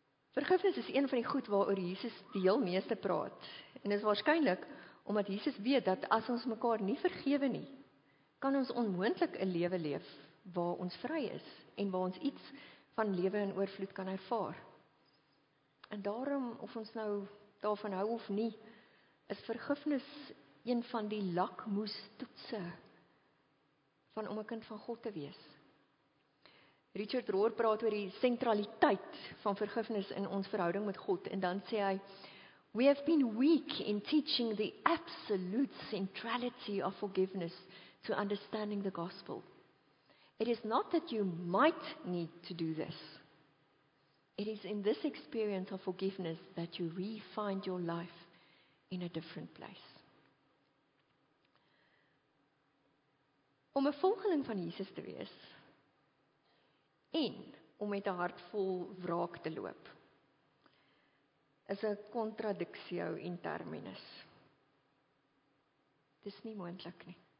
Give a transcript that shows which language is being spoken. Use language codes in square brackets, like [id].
[af] Vergifnis is een van die goed waaroor Jesus die heel meeste praat. En is waarskynlik omdat Jesus weet dat as ons mekaar nie vergewe nie, kan ons onmoontlik 'n lewe leef waar ons vry is en waar ons iets van lewe in oorvloed kan ervaar. En daarom, of ons nou daarvan hou of nie, is vergifnis een van die lakmoestoetse van om 'n kind van God te wees. Richard Rohr praat oor die sentraliteit van vergifnis in ons verhouding met God, en dan sê hy, [en] we have been weak in teaching the absolute centrality of forgiveness to understanding the gospel. It is not that you might need to do this. It is in this experience of forgiveness that you re-find your life in a different place. [af] Om 'n volgeling van Jesus te wees, en om met 'n hart vol wraak te loop, is 'n contradictio in terminis. Dis nie moontlik nie.